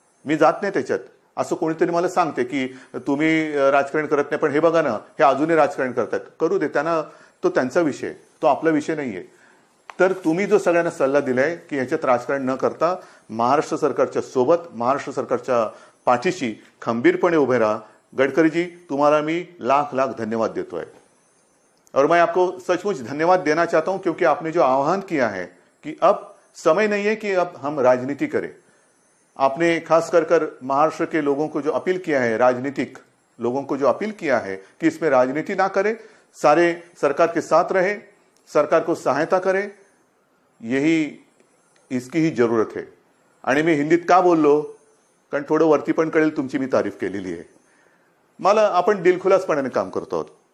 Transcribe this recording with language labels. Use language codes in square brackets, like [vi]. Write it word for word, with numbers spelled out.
[mr] मी जात नाही त्याच्यात, असं कोणीतरी मला सांगते की तुम्ही राजकारण करत नाही, पण हे बघा ना हे अजूनही राजकारण करतात. करू दे त्यांना, तो त्यांचा विषय, तो आपला विषय नाहीये. तर तुम्ही जो सगळ्यांना सल्ला दिलाय की याच्यात राजकारण न करता महाराष्ट्र सरकारच्या सोबत महाराष्ट्र सरकारच्या पाठीशी खंबीरपणे उभे राहा. [hi] गडकरीजी तुम्हारा मैं लाख लाख धन्यवाद देता है और मैं आपको सचमुच धन्यवाद देना चाहता हूं क्योंकि आपने जो आह्वान किया है कि अब समय नहीं है कि अब हम राजनीति करें. आपने खास कर कर महाराष्ट्र के लोगों को जो अपील किया है, राजनीतिक लोगों को जो अपील किया है कि इसमें राजनीति ना करें, सारे सरकार के साथ रहे, सरकार को सहायता करें, यही इसकी ही जरूरत है. [mr] आणि मी हिंदीत का बोललो कारण थोडं वरती पण कळेल तुमची मी तारीफ केलेली आहे. मला आपण दिलखुलासपणाने काम करतो आहोत.